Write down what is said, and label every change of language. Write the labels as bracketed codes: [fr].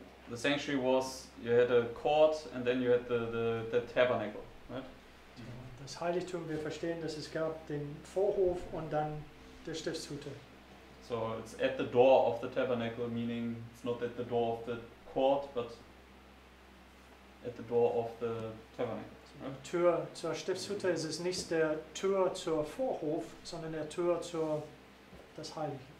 [en] The sanctuary was, you had a court and then you had the tabernacle, right? [de] Das Heiligtum, wir verstehen, dass es gab den Vorhof und dann der Stiftshütte. [en] So it's at the door of the tabernacle, meaning it's not at the door of the court, but at the door of the tabernacle. Right? [de] Tür zur Stiftshütte ist es nicht der Tür zur Vorhof, sondern der Tür zur das Heilige.